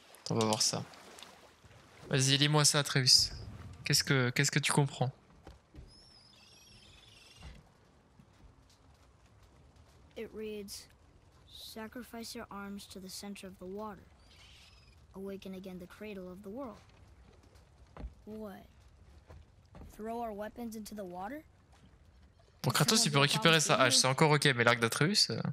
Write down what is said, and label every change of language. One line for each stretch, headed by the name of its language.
French: On va voir ça. Vas-y, lis-moi ça, Atreus. Qu'est-ce que tu comprends?
English: It reads, sacrifice your arms to the center of the water. Awaken again the cradle of the world. What? Throw our weapons into the water?
French: Bon, Kratos, il peut récupérer sa hache, c'est encore ok, mais l'arc d'Atreus.